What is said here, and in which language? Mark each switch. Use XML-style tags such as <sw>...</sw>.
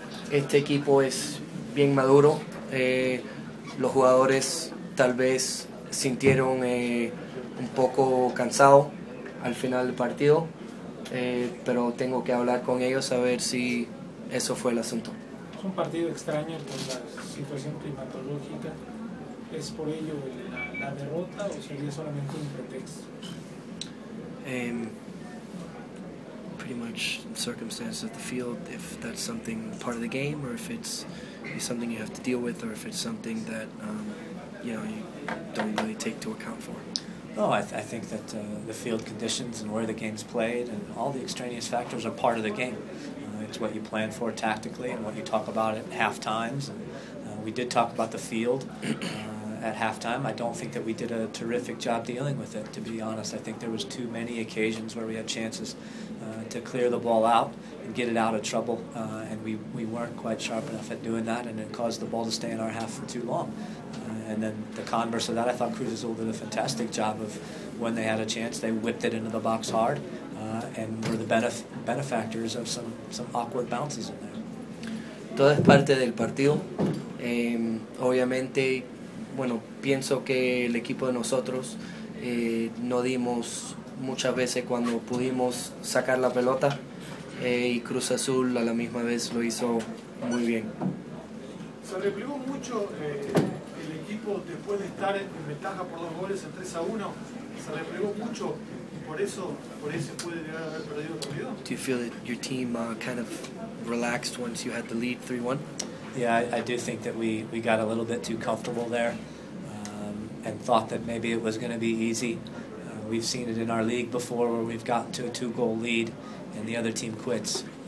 <es>Este equipo es bien maduro. Los jugadores tal vez sintieron un poco cansado al final del partido, pero tengo que hablar con ellos a ver si eso fue el asunto. Es un partido extraño por la situación climatológica. ¿Es por ello la derrota o sería solamente un pretexto?</es> <en>Pretty much circumstances of the field, if that's something part of the game or if it's something you have to deal with or if it's something that you don't really take to account for. I think that the field conditions and where the game's played and all the extraneous factors are part of the game. It's what you plan for tactically and what you talk about at half times. We did talk about the field. At halftime, I don't think that we did a terrific job dealing with it, to be honest. I think there was too many occasions where we had chances to clear the ball out and get it out of trouble, and we weren't quite sharp enough at doing that, and it caused the ball to stay in our half for too long. And then the converse of that, I thought Cruz Azul did a fantastic job of when they had a chance, they whipped it into the box hard and were the benefactors of some awkward bounces in there.</en> <es>Todo es parte del partido. Obviamente, bueno, pienso que el equipo de nosotros no dimos muchas veces cuando pudimos sacar la pelota y Cruz Azul a la misma vez lo hizo muy bien. Se replegó mucho el equipo después de estar en ventaja por 2 goles en 3-1. Se replegó mucho y por eso puede llegar a haber perdido el partido.</es> <en>Do you feel that your team kind of relaxed once you had the lead 3-1? Yeah, I do think that we got a little bit too comfortable there and thought that maybe it was going to be easy. We've seen it in our league before where we've gotten to a 2-goal lead and the other team quits.</en>